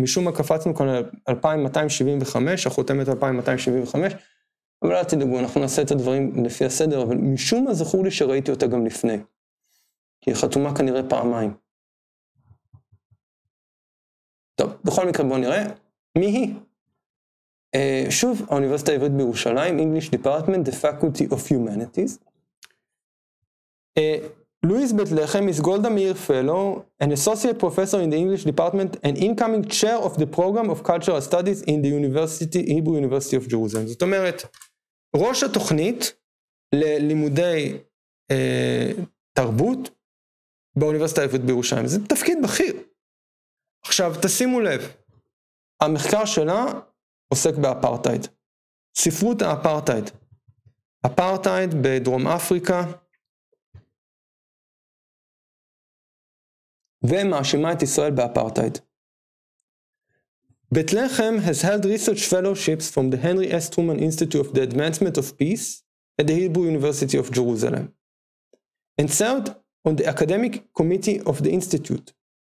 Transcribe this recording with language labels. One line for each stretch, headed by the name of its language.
Hebrew: משום מה קפצנו כאן על 2275, החותמת 2275, אבל אל תדאגו, אנחנו נעשה את הדברים לפי הסדר, אבל משום מה זכור לי שראיתי אותה גם לפני. כי היא חתומה כנראה פעמיים. טוב, בכל מקרה בואו נראה, מי היא? שוב, האוניברסיטה העברית בירושלים,
English: English Department, the Faculty of Humanities. לואיז בית לחם is Golda Meir Fellow, an associate professor in the English department and incoming chair of the program of cultural studies in the university, Hebrew University of Jerusalem.
Hebrew: זאת אומרת, ראש התוכנית ללימודי תרבות באוניברסיטה העברית בירושלים. זה תפקיד בכיר. עכשיו, תשימו לב, המחקר שלה עוסק באפרטייד. ספרות האפרטייד. אפרטייד בדרום אפריקה, ומאשימה את ישראל באפרטייד.
English: בית לחם has held research fellowships from the Henry S. Truman Institute of the Advancement of Peace at the Hebrew University of Jerusalem, and served on the academic committee of the institute.